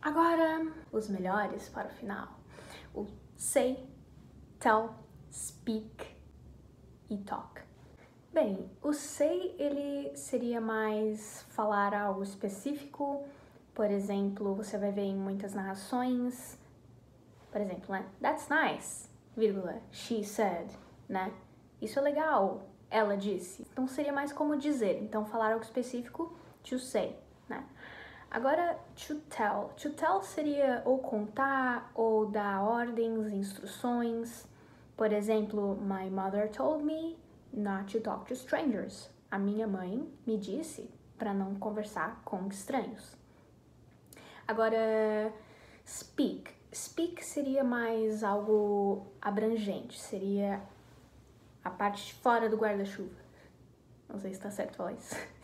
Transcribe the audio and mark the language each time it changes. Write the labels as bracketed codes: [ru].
[pt] Agora os melhores para o final, o say, tell, speak e talk. Bem, o say, ele seria mais falar algo específico. Por exemplo, você vai ver em muitas narrações. Por exemplo, né? [en] That's nice, vírgula, she said, né? [pt] Isso é legal, ela disse. Então, seria mais como dizer. Então, falar algo específico, to say, né? Agora, to tell. To tell seria ou contar, ou dar ordens, instruções. Por exemplo, [en] my mother told me not to talk to strangers. [pt] A minha mãe me disse para não conversar com estranhos. Agora, speak. Speak seria mais algo abrangente, seria a parte de fora do guarda-chuva. Não sei se tá certo falar isso.